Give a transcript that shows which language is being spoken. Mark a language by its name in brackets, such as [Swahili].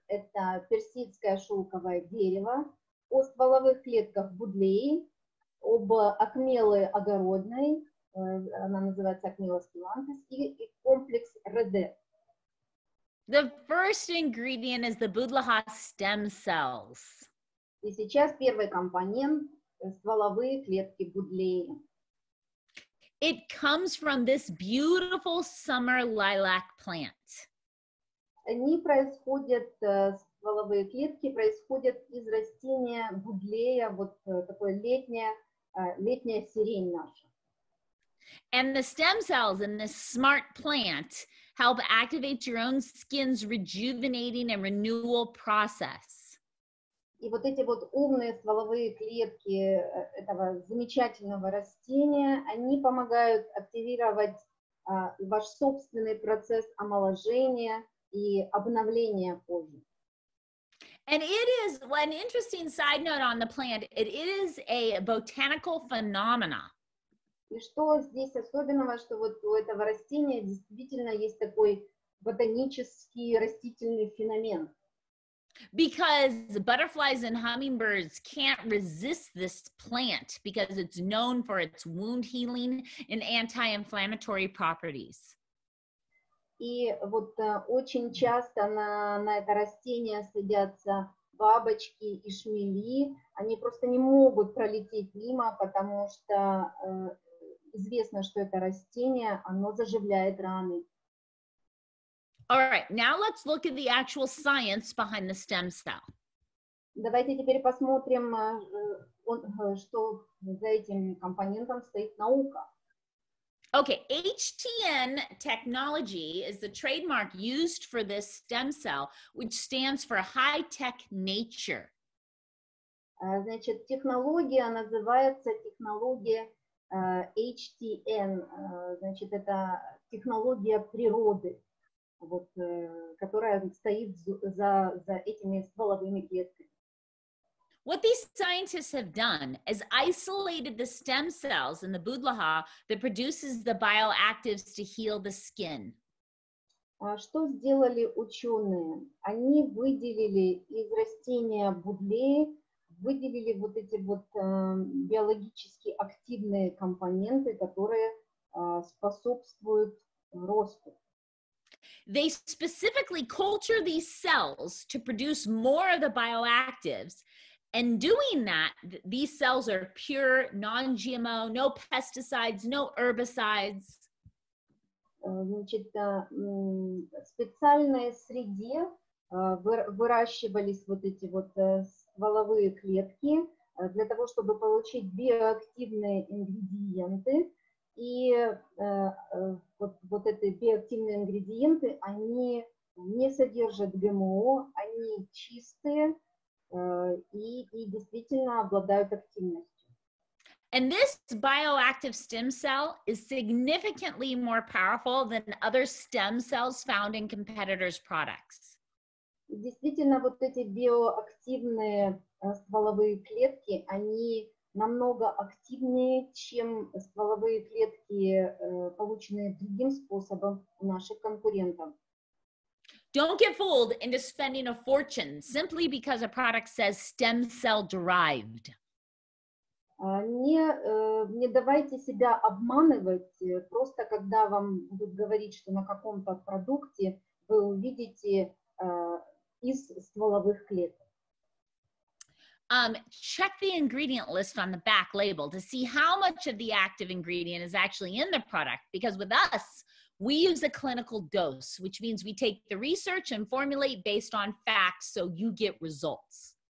[Russian] Это персидское шелковое дерево, о стволовых клетках будлеи, об акмелы огородной, она называется акмела спилантес, и комплекс РДЭ. [English] The first ingredient is the будлаха stem cells. [Russian] И сейчас первый компонент – стволовые клетки гудлея. [English] It comes from this beautiful summer lilac plant. [Russian] Они происходят, стволовые клетки происходят из растения гудлея, вот такое летняя сирень наша. [English] And the stem cells in this smart plant help activate your own skin's rejuvenating and renewal process. [Russian] И вот эти вот умные стволовые клетки этого замечательного растения, они помогают активировать ваш собственный процесс омоложения и обновления кожи. [English] And it is, an interesting side note on the plant, it is a botanical phenomenon. [Russian] И что здесь особенного, что вот у этого растения действительно есть такой ботанический растительный феномен. [English] Because butterflies and hummingbirds can't resist this plant because it's known for its wound healing and anti-inflammatory properties. [Russian] И вот очень часто на это растение садятся бабочки и шмели. Они просто не могут пролететь мимо, потому что известно, что это растение, оно заживляет раны. [English] All right, now let's look at the actual science behind the stem cell. [Russian] Давайте теперь посмотрим, что за этим компонентом стоит наука. [English] Okay, HTN technology is the trademark used for this stem cell, which stands for high-tech nature. [Russian] Значит, технология называется технология HTN, значит, это технология природы. Вот, которая стоит за этими стволовыми клетками. [English] What these scientists have done is isolated the stem cells in the budlaha that produces the bioactives to heal the skin. [Russian] Что сделали ученые? Они выделили из растения будлея, выделили вот эти вот биологически активные компоненты, которые способствуют росту. [English] They specifically culture these cells to produce more of the bioactives. And doing that, these cells are pure, non-GMO, no pesticides, no herbicides. [Russian] Значит, в специальной среде выращивались вот эти вот стволовые клетки для того, чтобы получить биоактивные ингредиенты. И вот эти биоактивные ингредиенты, они не содержат ГМО, они чистые и действительно обладают активностью. [English] And this bioactive stem cell is significantly more powerful than other stem cells found in competitors' products. [Russian] Действительно, вот эти биоактивные стволовые клетки, они намного активнее, чем стволовые клетки, полученные другим способом у наших конкурентов. [English] Don't get fooled into spending a fortune simply because a product says stem cell derived. [Russian] Не давайте себя обманывать, просто когда вам будут говорить, что на каком-то продукте вы увидите из стволовых клеток. [English] Check the ingredient list on the back label to see how much of the active ingredient is actually in the product. Because with us, we use a clinical dose, which means we take the research and formulate based on facts, so you get results.